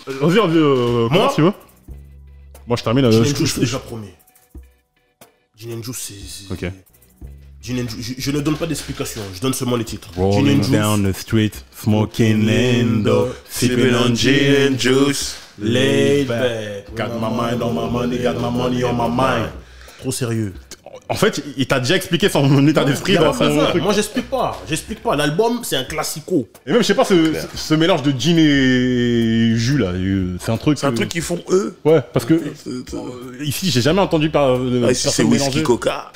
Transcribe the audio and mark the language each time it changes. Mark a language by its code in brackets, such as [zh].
[fr] Vas-y, comment tu veux. Moi, je termine. Je suis déjà premier. Jinenju, c'est... Ok. Jinenju, je ne donne pas d'explication, je donne seulement les titres. [en] Rolling down the street, smoking endo, sipping on gin and juice, laid back. Got my mind on my money, got my money on my mind. [fr] Trop sérieux. En fait, il t'a déjà expliqué son état d'esprit dans son truc. Moi, j'explique pas. L'album, c'est un classico. Et même, je sais pas, ce mélange de Jin et Jus, là, c'est un truc... C'est un truc qu'ils font, eux. Ouais, parce que ici, j'ai jamais entendu parler de... Ici, c'est whisky coca.